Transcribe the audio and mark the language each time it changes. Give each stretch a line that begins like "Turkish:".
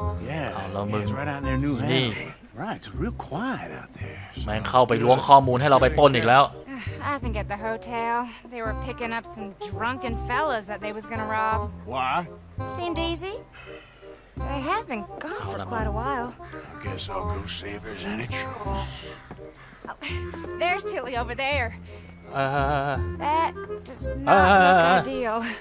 English: Yeah, it's right out there, New Hampshire. Right, it's real quiet out there.
Thai: แม่งเข้าไปล้วงข้อมูลให้เราไปปล้นอีกแล้ว
English: I think at the hotel they were picking up some drunken fellas that they was gonna rob. Why? Seemed easy. They have been gone for quite a while. I guess I'll go see if there's any trouble. There's Tilly over there. That does not look ideal.